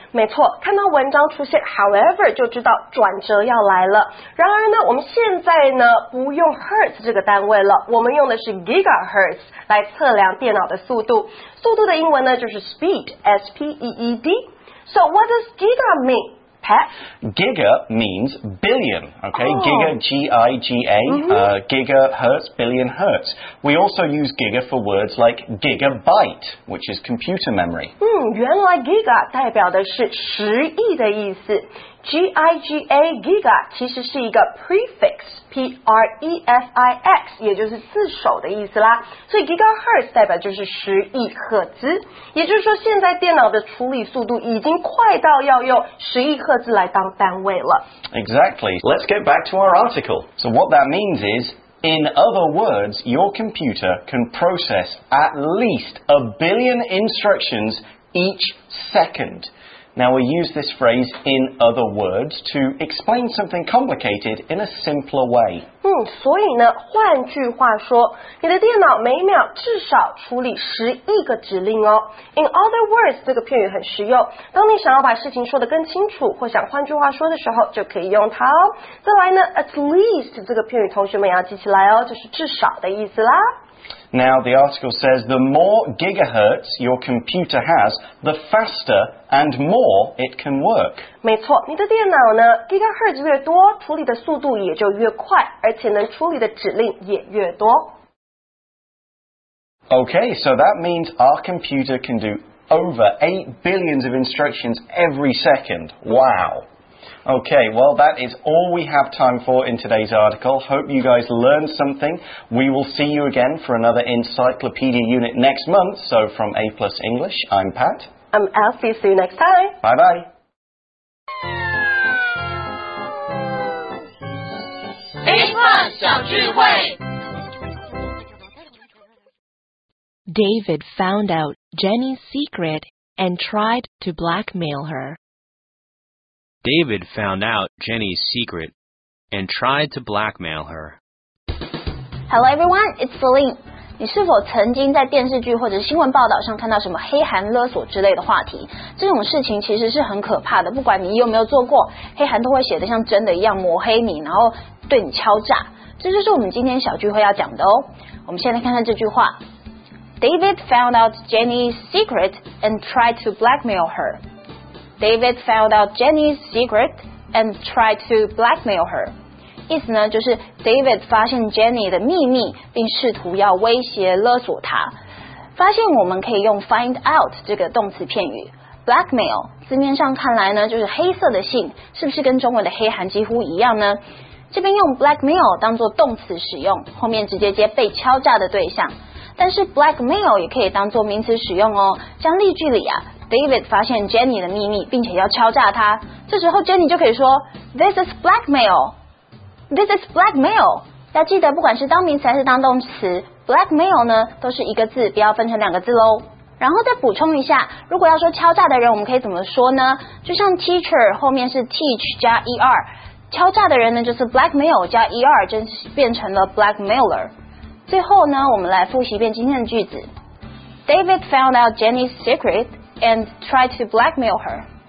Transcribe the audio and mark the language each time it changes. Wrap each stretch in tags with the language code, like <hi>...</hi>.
<zh>没错，看到文章出现 however 就知道转折要来了。然而呢，我们现在呢不用 hertz 这个单位了，我们用的是 gigahertz 来测量电脑的速度。速度的英文呢就是 speed, S-P-E-E-D.</zh> <en>So what does giga mean, Pat? Giga means billion, okay? Giga, G-I-G-A, gigahertz, billion hertz. We also use giga for words like gigabyte, which is computer memory.</en> <zh>原来 giga 代表的是十亿的意思。 G-I-G-A, giga, 其实是一个 prefix, P-R-E-F-I-X, 也就是四首的意思啦。所以 gigahertz 代表就是十亿赫兹。也就是说现在电脑的处理速度已经快到要用十亿赫兹来当单位了。</zh> <en>Exactly. Let's get back to our article. So what that means is... In other words, your computer can process at least a billion instructions each second. Now we use this phrase, in other words, to explain something complicated in a simpler way.</en> <zh>所以呢，换句话说，你的电脑每秒至少处理十亿个指令哦。</zh> <en>In other words,</en> <zh>这个片语很实用，当你想要把事情说得更清楚，或想换句话说的时候，就可以用它哦。再来呢，at least 这个片语同学们要记起来哦，就是至少的意思啦。</zh> <en>Now, the article says the more gigahertz your computer has, the faster and more it can work.</en> <zh>没错，你的电脑呢 ,gigahertz 越多，处理的速度也就越快，而且能处理的指令也越多。</zh> <en>Okay, so that means our computer can do over 8 billions of instructions every second. Wow! Okay, well, that is all we have time for in today's article. Hope you guys learned something. We will see you again for another encyclopedia unit next month. So from A Plus English, I'm Pat. I'm Alfie. See you next time. Bye-bye.</en> <zh>A Plus 小聚会</zh> <en>David found out Jenny's secret and tried to blackmail her. David found out Jenny's secret and tried to blackmail her. Hello everyone, it's Celine.</en> <zh>你是否曾经在电视剧或者新闻报道上看到什么黑函勒索之类的话题？这种事情其实是很可怕的，不管你有没有做过，黑函都会写得像真的一样抹黑你，然后对你敲诈。这就是我们今天小聚会要讲的哦。我们先来看看这句话。</zh> <en>David found out Jenny's secret and tried to blackmail her. David found out Jenny's secret and tried to blackmail her.</en> <zh>意思呢，就是 David 发现 Jenny 的秘密，并试图要威胁勒索她。发现我们可以用 find out 这个动词片语。Blackmail 字面上看来呢，就是黑色的信，是不是跟中文的黑函几乎一样呢？这边用 blackmail 当作动词使用，后面直接接被敲诈的对象。但是 blackmail 也可以当作名词使用哦。像例句里啊， David 发现 Jenny 的秘密，并且要敲诈她。这时候 Jenny 就可以说</zh> <en>This is blackmail. This is blackmail.</en> <zh>要记得，不管是当名词还是当动词， blackmail 呢都是一个字，不要分成两个字咯。然后再补充一下，如果要说敲诈的人，我们可以怎么说呢？就像 teacher 后面是 teach 加 er， 敲诈的人呢就是 blackmail 加 er， 就变成了 blackmailer。最后呢，我们来复习一遍今天的句子。</zh> <en>David found out Jenny's secret and tried to blackmail her.</en>